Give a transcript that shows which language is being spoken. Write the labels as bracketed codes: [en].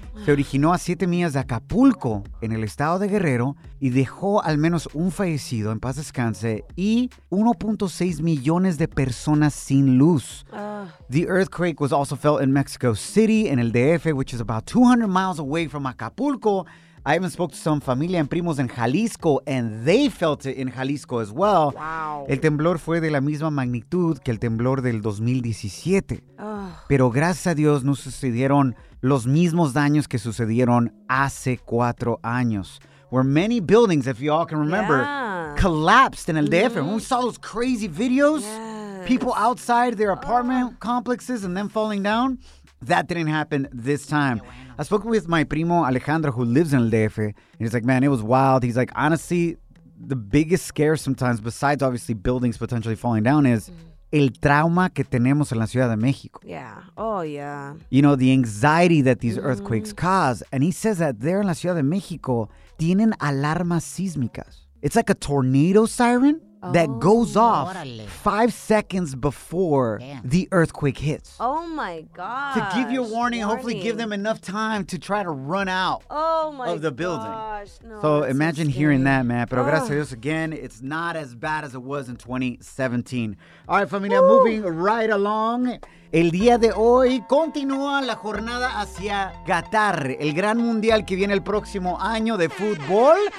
[es] Se originó a 7 millas de Acapulco, en el estado de Guerrero, y dejó al menos un fallecido, en paz descanse, y 1.6 millones de personas sin luz. [en] The earthquake was also felt in Mexico City, [es] en el DF, [en] which is about 200 miles away from Acapulco. I even spoke to some familia and [es] primos en Jalisco, [en] and they felt it in Jalisco as well. Wow. [es] El temblor fue de la misma magnitud que el temblor del 2017. Pero gracias a Dios no sucedieron los mismos daños que sucedieron hace 4 años. [en] Where many buildings, if you all can remember, collapsed in el DF. Mm-hmm. We saw those crazy videos. Yes. People outside their apartment complexes and them falling down. That didn't happen this time. I spoke with my primo Alejandro, who lives in el DF, and he's like, man, it was wild. He's like, honestly, the biggest scare sometimes, besides obviously buildings potentially falling down, is [es] el trauma que tenemos en la Ciudad de México. [en] Yeah. Oh, yeah. You know, the anxiety that these earthquakes cause. And he says that there in [es] la Ciudad de México, tienen alarmas sísmicas. [en] It's like a tornado siren that goes off 5 seconds before the earthquake hits. Oh, my God! To give you a warning, hopefully give them enough time to try to run out of the building. So imagine hearing that, man. [es] Pero gracias a Dios, [en] again, it's not as bad as it was in 2017. All right, familia, moving right along. [es] El día de hoy continúa la jornada hacia Qatar, el gran mundial que viene el próximo año de fútbol.